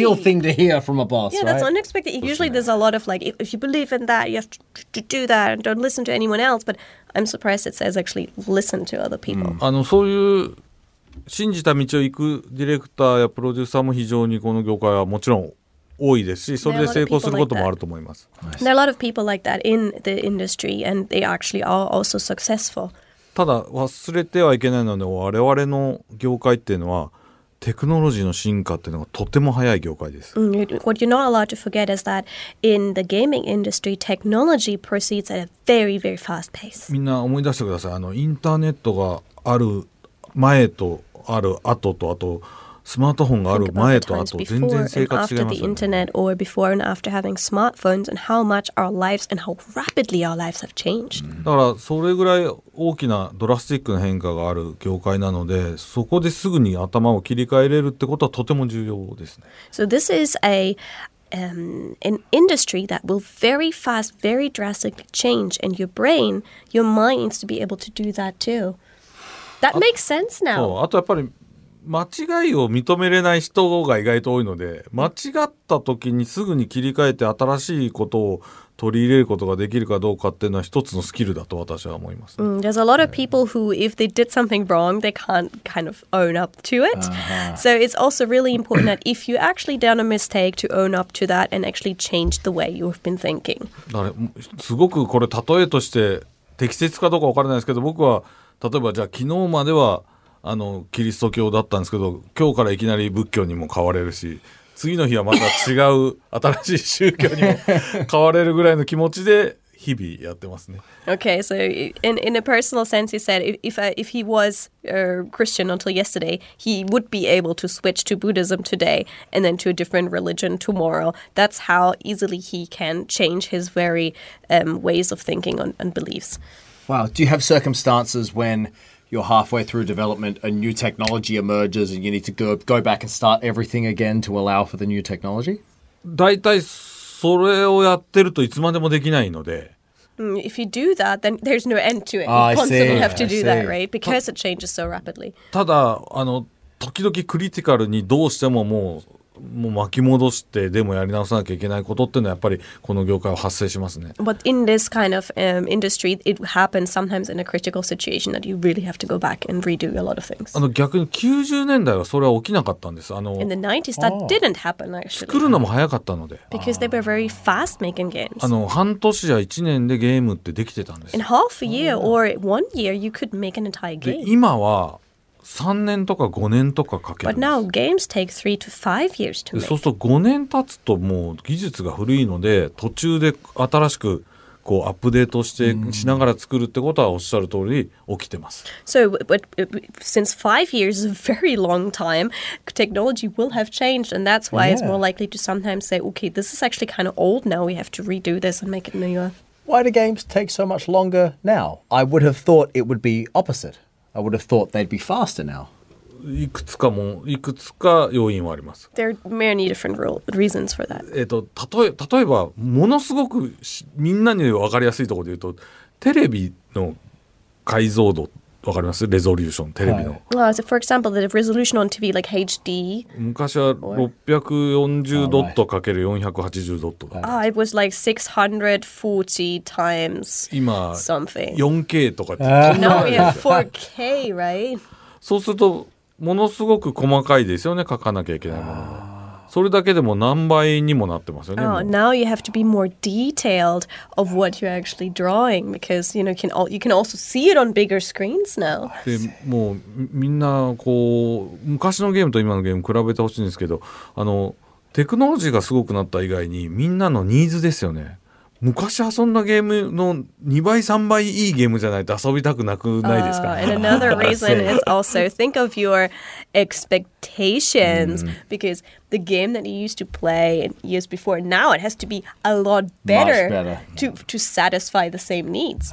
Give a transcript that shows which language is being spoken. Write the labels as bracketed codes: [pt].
[en] that's the ideal thing to hear from a boss, right? Yeah, that's unexpected. Usually there's a lot of like, if you believe in that, you have to do that and don't listen to anyone else, but I'm surprised it says actually listen to other people. [ja] そういう信じた道を行くディレクターやプロデューサーも非常にこの業界はもちろん多いですし、それで成功することもあると思います。 [en] There are a lot of people like that in the industry, and they actually are also successful. [ja] ただ忘れてはいけないので、我々の業界っていうのはテクノロジーの進化っていうのがとても早い業界です。 [en] What you're not allowed to forget is that in the gaming industry, technology proceeds at a very, very fast pace. [ja] みんな思い出してください。インターネットがある前とある後とあとスマートフォンがある前とあと全然生活違いますよね。 [en] After the internet or before and after having smartphones and how much our lives and how rapidly our lives have changed. [ja] だからそれぐらい大きなドラスティックな変化がある業界なので、そこですぐに頭を切り替えれるってことはとても重要ですね。 [en] So this is an industry that will very fast, very drastically change, and your brain, your mind needs to be able to do that too. That makes sense now. [ja] あとやっぱり間違いを認めれない人が意外と多いので、間違った時にすぐに切り替えて新しいことを取り入れることができるかどうかっていうのは一つのスキルだと私は思います、ね。 [en] There's a lot of people who, if they did something wrong, they can't kind of own up to it. So it's also really important that if you actually done a mistake, to own up to that and actually change the way you've been thinking. [ja] だからすごくこれ例えとして適切かどうか分からないですけど、僕は例えばじゃあ昨日まではキリスト教だったんですけど、今日からいきなり仏教にも変われるし、次の日はまた違う新しい宗教にも変われるぐらいの気持ちで日々やってますね。 [en] Okay, so in a personal sense, he said if he was a Christian until yesterday, he would be able to switch to Buddhism today and then to a different religion tomorrow. That's how easily he can change his very ways of thinking and beliefs. Wow, do you have circumstances when you're halfway through development, a new technology emerges and you need to go back and start everything again to allow for the new technology? [ja] だいたいそれをやってるといつまでもできないので。 [en] If you do that, then there's no end to it. You constantly have to do that, right? Because it changes so rapidly. [ja] ただ、時々クリティカルにどうしてももうもう巻き戻してでもやり直さなきゃいけないことっていうのはやっぱりこの業界は発生しますね。 [en] But in this kind of industry, it happens sometimes in a critical situation that you really have to go back and redo a lot of things. [ja] 逆に90年代はそれは起きなかったんです。 [en] In the 90s, that didn't happen, actually. [ja] 作るのも早かったので。 [en] Because they were very fast making games. [ja] 半年や1年でゲームってできてたんです。 [en] In half a year or one year, you could make an entire game. [ja] 今は3年とか5年とかかけるんです。 [en] But now games take 3 to 5 years to make. [ja] そうすると5年経つともう技術が古いので途中で新しくこうアップデートしてしながら作るってことはおっしゃる通り起きてます。 [en] So but since 5 years is a very long time, technology will have changed and that's why it's more likely to sometimes say, okay, this is actually kind of old now, we have to redo this and make it newer. Why do games take so much longer now? I would have thought it would be opposite. I would have thought they'd be faster now. [ja] いくつか要因はあります。 [en] There are many different reasons for that. [ja] 例えばものすごくみんなに分かりやすいところで言うとテレビの解像度分かります？レゾリューションテレビの。 [en] Right. Well, so for example, the resolution on TV, like HD. [ja] 昔は640×480 [en] It was like 640 times something. [ja] 4K とか。 [en] No, we have 4K, right? [ja] そうするとものすごく細かいですよね。書かなきゃいけないもの。それだけでも何倍にもなってますよね。 [en] Oh, now you have to be more detailed of what you're actually drawing because you know you can also see it on bigger screens now. [ja] でもうみんなこう昔のゲームと今のゲーム比べてほしいんですけど、テクノロジーがすごくなった以外にみんなのニーズですよね。昔遊んだゲームの2倍3倍いいゲームじゃないと遊びたくなくないですか。 [en] And another reason is also think of your expectations because the game that you used to play years before now it has to be a lot better, to satisfy the same needs.